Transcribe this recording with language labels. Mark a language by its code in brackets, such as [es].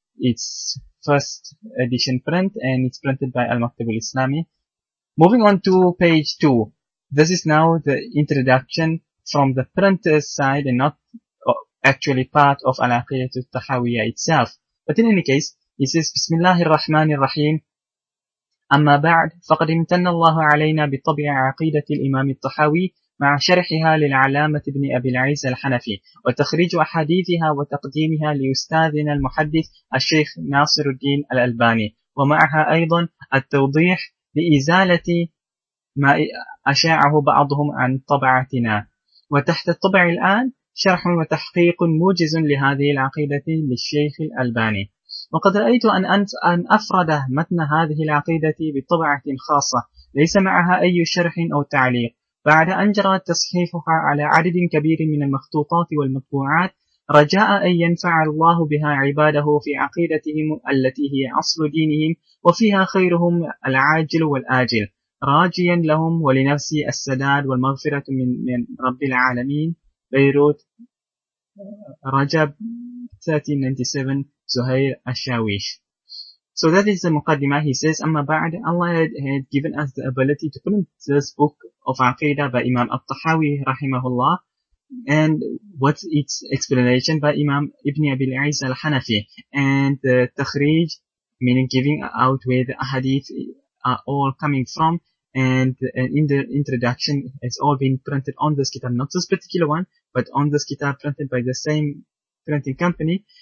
[en] It's first edition print, and it's printed by Al-Maktubul Islami. Moving on to page 2. This is now the introduction from the printer's side, and not actually part of Al-Aqeedah Al-Tahawiyya itself. But in any case, it says, Bismillahir Rahmanir Rahim. [ar] أما بعد فقد امتن الله علينا بطبع عقيدة الإمام الطحاوي مع شرحها للعلامة ابن أبي العز الحنفي وتخريج أحاديثها وتقديمها لأستاذنا المحدث الشيخ ناصر الدين الألباني ومعها أيضا التوضيح لإزالة ما أشاعه بعضهم عن طبعتنا وتحت الطبع الآن شرح وتحقيق موجز لهذه العقيدة للشيخ الألباني وقد رأيت أن أفرد متن هذه العقيدة بطبعة خاصة ليس معها أي شرح أو تعليق بعد أن جرى تصحيفها على عدد كبير من المخطوطات والمطبوعات رجاء أن ينفع الله بها عباده في عقيدتهم التي هي أصل دينهم وفيها خيرهم العاجل والآجل راجيا لهم ولنفسي السداد والمغفرة من رب العالمين بيروت رجب 1397 Zuhair Ashawish. [en] So that is the Muqaddimah. He says, Amma ba'd, Allah had given us the ability to print this book of Aqeedah by Imam Al-Tahawi rahimahullah, and what's its explanation by Imam Ibn Abi al-Izz al-Hanafi, and the takhrij, meaning giving out where the ahadith are all coming from, and in the introduction, it's all been printed on this kitab, not this particular one, but on this kitab printed by the same printing company.